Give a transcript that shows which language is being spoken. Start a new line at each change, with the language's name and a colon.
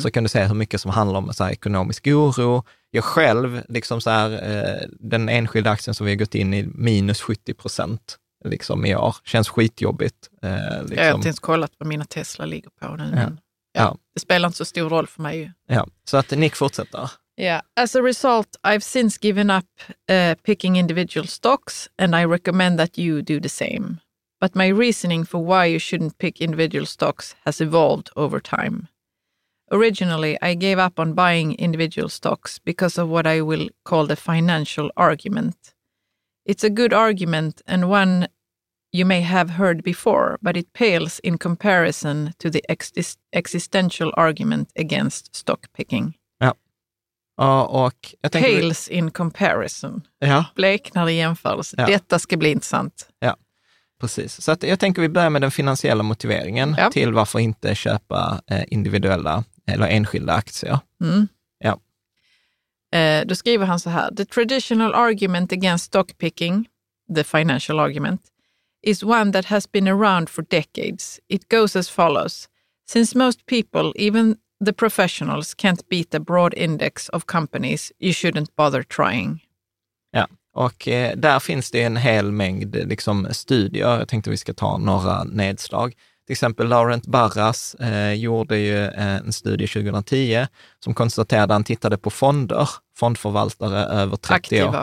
Swedish: så kan du se hur mycket som handlar om så här, ekonomisk oro. Jag själv, liksom så här, den enskilda aktien som vi har gått in i, -70%. Liksom i år. Känns skitjobbigt. Liksom. Jag har inte ens kollat vad mina Tesla ligger på nu. Ja. Det spelar inte så stor roll för mig. Ja. Så att Nick fortsätter.
English: Yeah. As a result, I've since given up picking individual stocks and I recommend that you do the same. But my reasoning for why you shouldn't pick individual stocks has evolved over time. Originally, I gave up on buying individual stocks because of what I will call the financial argument. It's a good argument and one you may have heard before, but it pales in comparison to the existential argument against stock picking.
Swedish: Ja. Och jag tänker
English: pales in comparison.
Swedish: Ja. Bleknar i jämförelse. Ja. Detta ska bli intressant. Ja. Precis. Så att jag tänker vi börjar med den finansiella motiveringen till varför inte köpa individuella eller enskilda aktier. Mm. Då skriver han så här,
English: the traditional argument against stock picking, the financial argument, is one that has been around for decades. It goes as follows. Since most people, even the professionals, can't beat a broad index of companies, you shouldn't bother trying.
Swedish: Ja, och där finns det en hel mängd liksom, studier. Jag tänkte vi ska ta några nedslag. Till exempel Laurent Barras gjorde ju en studie 2010 som konstaterade att han tittade på fonder, fondförvaltare över 30